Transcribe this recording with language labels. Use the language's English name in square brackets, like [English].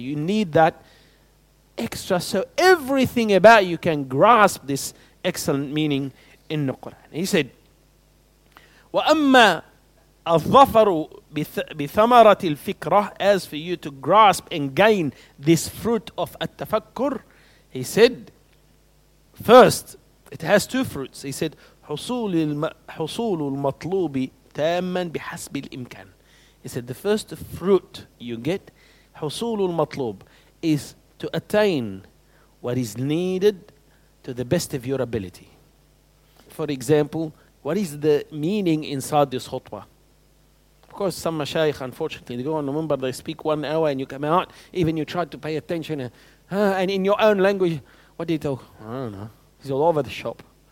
[English] You need that extra. So everything about you can grasp this excellent meaning in the Quran. He said, [Arabic] وَأَمَّا الظَّفَرُ بِثَمَرَةِ الْفِكْرَةِ, [English] as for you to grasp and gain this fruit of التفكر, he said, first, it has two fruits. He said, [Arabic] حُصُولُ الْمَطْلُوبِ تَامًا بِحَسْبِ الْإِمْكَانِ. [English] He said, the first fruit you get, [Arabic] حُصُولُ الْمَطْلُوبِ, [English] is to attain what is needed to the best of your ability. For example, what is the meaning inside this khutbah? Of course, some mashayikh, unfortunately, they go on the minbar, they speak 1 hour and you come out, even you try to pay attention, and in your own language, what do you talk? I don't know. He's all over the shop.